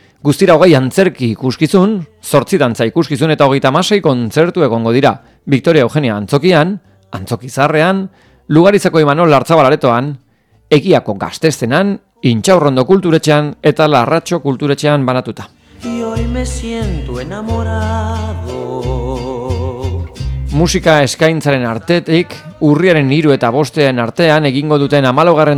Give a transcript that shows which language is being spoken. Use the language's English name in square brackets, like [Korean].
[Basque] Guztira 20 antzerki ikuskizun, 8 dantza ikuskizun eta 36 kontzertu egongo dira. Victoria Eugenia Antzokian, Antzokizarrean, Lugarizako Imanol Artzabal Aretoan, Egiako Gaztezenan, Intxaurrondo Kulturetxean eta Larratxo Kulturetxean banatuta. [Spanish] Y hoy me siento enamorado. [Basque] Musika eskaintzaren artetik, urriaren 3 eta 5 artean egingo duten 14.